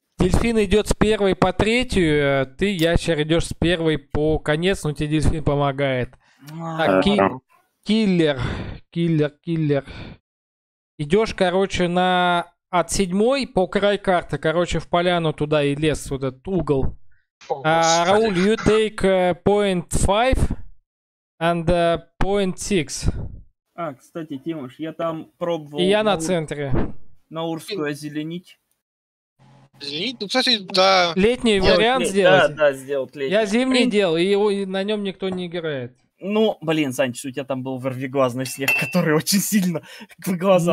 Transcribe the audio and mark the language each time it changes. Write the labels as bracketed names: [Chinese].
[Russian] Дельфин идет с первой по третью, ты, ящер, идешь с первой по конец, но тебе дельфин помогает. Так, киллер. Идешь, короче, на... от седьмой по край карты, короче, в поляну туда и лес, вот этот угол. [English] Рауль, you take point 5 and point 6. [Russian] А, кстати, Тимош, я там пробовал... И я на центре. На Урскую озеленить. Ну, кстати, да. Летний сделать вариант сделать? Да, сделать летний. Я зимний делал, и на нем никто не играет. Ну, блин, Санч, у тебя там был вервиглазный снег, который очень сильно в глаза.